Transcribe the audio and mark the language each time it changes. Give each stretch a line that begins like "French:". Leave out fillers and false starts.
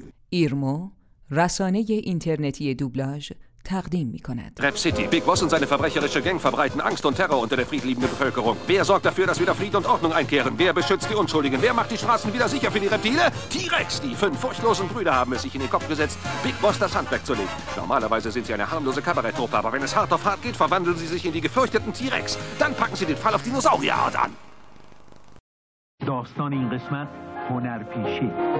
Persian: ایرمو رسانه اینترنتی دوبلاژ تقدیم می کند.
English: Rap City.
German: Big Boss und seine verbrecherische Gang verbreiten Angst und Terror unter der friedliebenden Bevölkerung. Wer sorgt dafür, dass wieder Frieden und Ordnung einkehren? Wer beschützt die Unschuldigen? Wer macht die Straßen wieder sicher für die Reptile? T-Rex! Die fünf furchtlosen Brüder haben es sich in den Kopf gesetzt, Big Boss das Handwerk zu legen. Normalerweise sind sie eine harmlose Kabaretttruppe, aber wenn es hart auf hart geht, verwandeln sie sich in die gefürchteten T-Rex. Dann packen sie den Fall auf Dinosaurierart an.
Persian: داستان این قسمت هنرپیشه.